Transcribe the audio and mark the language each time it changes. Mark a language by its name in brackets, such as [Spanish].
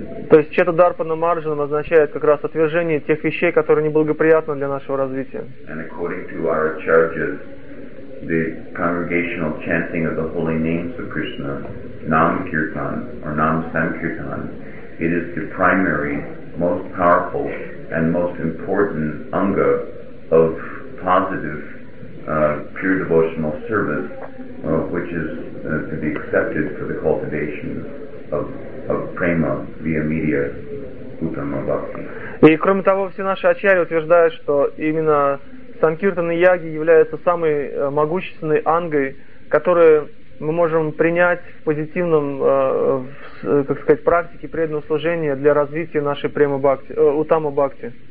[Russian] То есть чета-дарпана марджанам означает как раз отвержение тех вещей, которые неблагоприятны для нашего развития. [English] And according to our charges, the congregational chanting of the holy names of Krishna, Nam Kirtan or Nam Sankirtan, it is the primary, most powerful and most important anga of positive pure devotional service, which is to be accepted for the cultivation of prema via media uttama bhakti. [Russian] И кроме того, все наши ачарьи утверждают, что именно санкиртаны яги являются самой могущественной ангой, которую мы можем принять в позитивном, как сказать, практике преданного служения для развития нашей према бхакти, уттама бхакти.